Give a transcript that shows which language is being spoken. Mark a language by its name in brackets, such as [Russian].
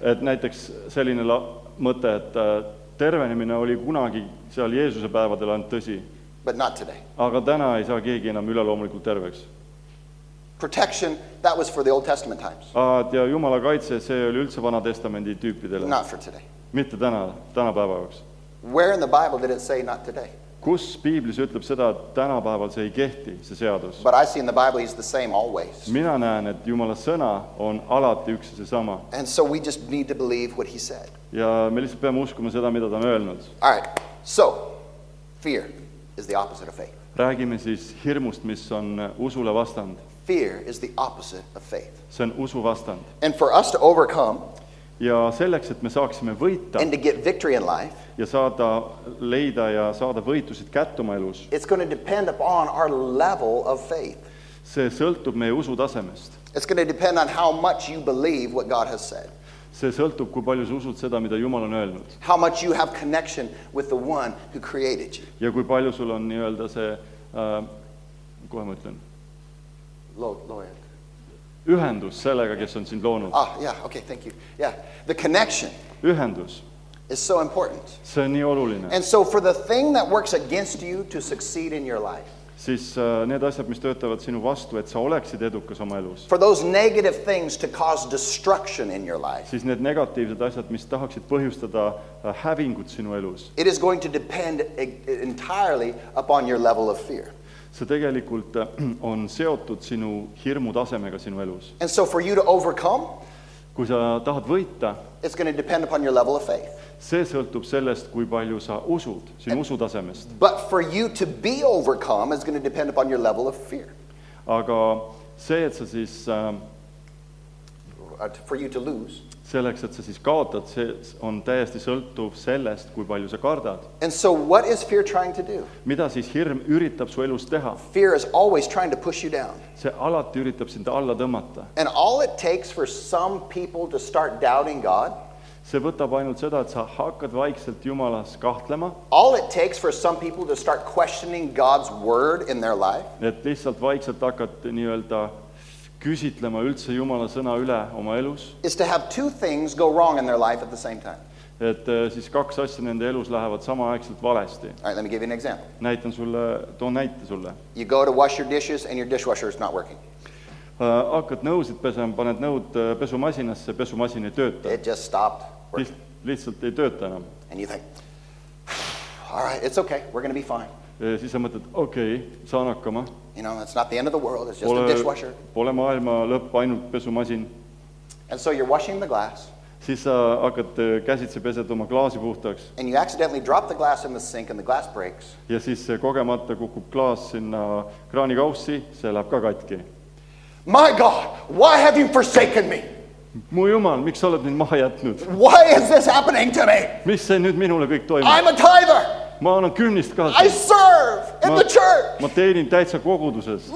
[Estonian] Et näiteks selline mõte, et tervenemine oli kunagi seal Jeesuse päevadel ainult tõsi. [English] But not today. [Estonian] Aga täna ei saa keegi enam üleloomulikult terveks. [English] Protection, that was for the Old Testament times. [Estonian] Ja Jumala kaitse, see oli üldse Vana Testamendi tüüpidele. [English] Not for today. [Estonian] Mitte täna päevaks. [English] Where in the Bible did it say not today? [Estonian] Kus Piiblis ütleb seda, et tänapäeval see ei kehti, see seadus? [English] But I see in the Bible he's the same always. [Estonian] Mina näen, et Jumala sõna on alati üks see sama. [English] And so we just need to believe what he said. [Estonian] Ja me lihtsalt peame uskuma seda, mida ta on öelnud. [English] All right, so fear is the opposite of faith. [Estonian] Räägime siis hirmust, mis on usule vastand. [English] Fear is the opposite of faith. [Estonian] See on usu vastand. [English] And for us to overcome... [Estonian] Ja selleks, et me saaksime võita [English] and to get victory in life, [Estonian] ja saada leida ja saada võitusid kättuma elus, [English] it's going to depend upon our level of faith. [Estonian] See sõltub meie usu tasemest. [English] It's going to depend on how much you believe what God has said. [Estonian] See sõltub, kui palju sa usud seda, mida Jumal on öelnud. [English] How much you have connection with the one who created you. [Estonian] Ja kui palju sul on nii-öelda see, kohe ma ütlen? [English] Loyal. [Estonian] Ühendus sellega, kes on sind loonud. [English] Ah, yeah, okay, thank you. Yeah, the connection. [Estonian] Ühendus. [English] Is so important. [Estonian] See on nii oluline. [English] And so for the thing that works against you to succeed in your life. [Estonian] Siis need asjad, mis töötavad sinu vastu, et sa oleksid edukas oma elus. [English] For those negative things to cause destruction in your life. [Estonian] Siis need negatiivsed asjad, mis tahaksid põhjustada hävingut sinu elus. [English] It is going to depend entirely upon your level of fear. [Estonian] See tegelikult on seotud sinu hirmu tasemega sinu elus. [English] And so for you to overcome, [Estonian] kui sa tahad võita, [English] it's going to depend upon your level of faith. [Estonian] See sõltub sellest, kui palju sa usud sinu usu tasemest. [English] But for you to be overcome, it's going to depend upon your level of fear. [Estonian] Aga see, et sa siis... [English] for you to lose. [Estonian] Selleks, et sa siis kaotad, see on täiesti sõltuv sellest, kui palju sa kardad. [English] And so what is fear trying to do? [Estonian] Mida siis hirm üritab su elus teha? [English] Fear is always trying to push you down. [Estonian] See alati üritab sind alla tõmmata. [English] And all it takes for some people to start doubting God. [Estonian] See võtab ainult seda, et sa hakkad vaikselt Jumalas kahtlema. [English] All it takes for some people to start questioning God's word in their life. [Estonian] Et lihtsalt vaikselt hakkad nii-öelda küsitlema üldse Jumala sõna üle oma elus. [English] Is to have two things go wrong in their life at the same time. [Estonian] Et siis kaks asja nende elus lähevad samaaegselt valesti. [English] All right, let me give you an example. [Estonian] Näitan sulle, toon näite sulle. [English] You go to wash your dishes and your dishwasher is not working. [Estonian] Hakkad nõusid pesema, paned nõud pesumasinasse, pesumasin ei tööta. [English] It just stopped working. [Estonian] Lihtsalt ei tööta enam. [English] And you think, all right, it's okay, we're going to be fine. [Estonian] siis sa mõtled, okei, saan hakkama. [English] You know, it's not the end of the world, it's just pole, a dishwasher. [Estonian] Pole maailma lõpp, ainult pesumasin. [English] And so you're washing the glass. [Estonian] Siis sa hakkad käsitse pesed oma klaasi puhtaks. [English] And you accidentally drop the glass in the sink and the glass breaks. [Estonian] Ja siis kogemata kukub klaas sinna kraani kaussi, see läheb ka katki. [English] My God, why have you forsaken me? [Estonian] Mu Jumal, miks sa oled mind maha jätnud? [English] Why is this happening to me? [Estonian] Mis see nüüd minule kõik toimub? [English] I'm a tither. [Estonian] Ma olen kümnist kaasa. [English] I serve in the church. [Estonian] Ma teenin täitsa koguduses.